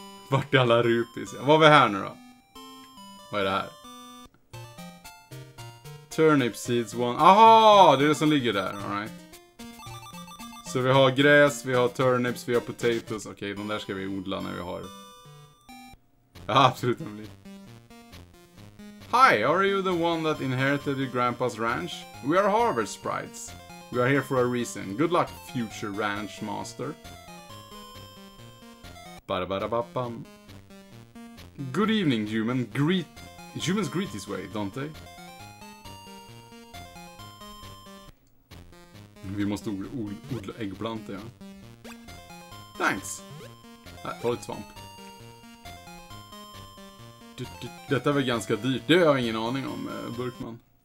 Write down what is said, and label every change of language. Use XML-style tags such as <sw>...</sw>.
<sv>Vart är alla rupis? Vad är vi här nu då? Vad är det här?</sv> <en>Turnip seeds one. Aha!</en> <sv>Det är det som ligger där. All right. Så vi har gräs, vi har turnips, vi har potatoes. Okej, de där ska vi odla när vi har... Ja, absolut.</sv> <en>Hi, are you the one that inherited your grandpa's ranch? We are Harvard Sprites. We are here for a reason. Good luck, future ranch master. Ba-da-ba-da-ba-bam. Good evening, human. Humans greet this way, don't they?</en> <sv>Vi måste odla äggplantor, ja. Thanks. Ta lite svamp. Detta var ganska dyrt. Det har jag ingen aning om, Burkman.</sv>